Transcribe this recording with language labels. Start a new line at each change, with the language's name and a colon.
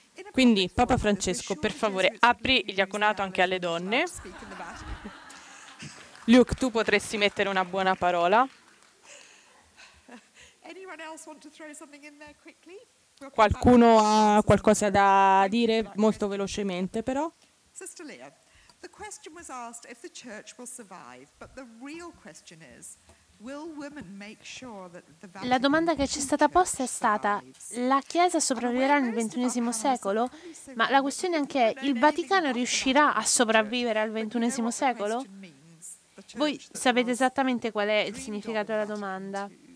Italian: Quindi, Papa Francesco, per favore, apri il diaconato anche alle donne. Luke, tu potresti mettere una buona parola. Qualcuno ha qualcosa da dire molto velocemente, però?
English: Sister Leah, the question was asked if the church will survive, but the real question is,
Italian: la domanda che ci è stata posta è stata: la Chiesa sopravviverà nel XXI secolo? Ma la questione anche è: il Vaticano riuscirà a sopravvivere al XXI secolo? Voi sapete esattamente qual è il significato della domanda.